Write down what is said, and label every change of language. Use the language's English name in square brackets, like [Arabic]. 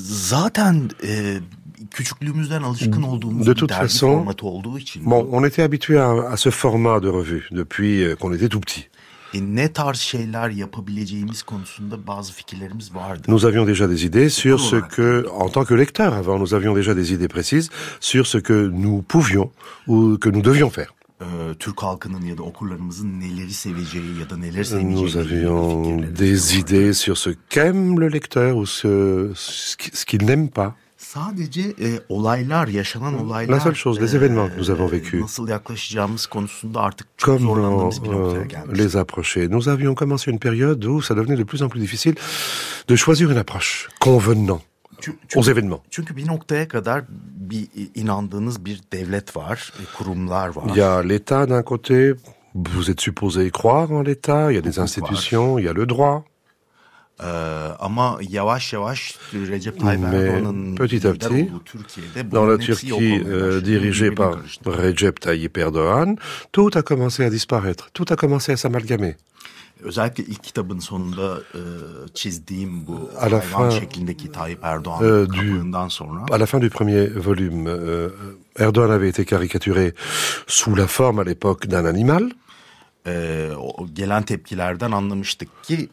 [Turkish] Zaten küçüklüğümüzden alışkın olduğumuz [French] de toute façon, [Turkish] bir dergi formatı olduğu için. [French] Bon, on était habitué à ce format de revue depuis qu'on était tout petit. [Turkish] Ne tarz şeyler yapabileceğimiz konusunda bazı fikirlerimiz vardı. [French] Nous avions déjà des idées sur ce que, en tant que lecteur avant, nous avions déjà des idées précises sur ce que nous pouvions ou que nous devions faire. [Turkish] Türk halkının ya da okurlarımızın neleri seveceği ya da neler sevmeyeceği. [French] Nous avions des idées sur ce qu'aime le lecteur ou ce qu'il n'aime pas. [Turkish] Sadece olaylar, yaşanan olaylar. [French] La seule chose, les événements que nous avons vécu. [Turkish] Nasıl yaklaşacağımız konusunda artık çok zorlandığımız bir noktaya gelmiştik. [French] Les approcher. Nous avions commencé une période où ça devenait de plus en plus difficile de choisir une approche convenant. Aux événements. [Turkish] Çünkü bir noktaya kadar bir inandığınız bir devlet var, kurumlar var. [French] Il y a l'État d'un côté, vous êtes supposé croire en l'État, il y a des institutions, il y a le droit. [Turkish] Ama yavaş yavaş Recep Tayyip Erdoğan'ın Türkiye'de [French] dans la Turquie dirigée par Recep Tayyip Erdoğan, tout a commencé à disparaître, tout a commencé à s'amalgamer. [Turkish] Özellikle ilk kitabın sonunda çizdiğim bu hayvan fin, şeklindeki Tayyip Erdoğan kapağından sonra. [French] À la fin du premier volume, Erdoğan avait été caricaturé sous la forme à l'époque d'un animal. [Turkish] Gelen tepkilerden anlamıştık ki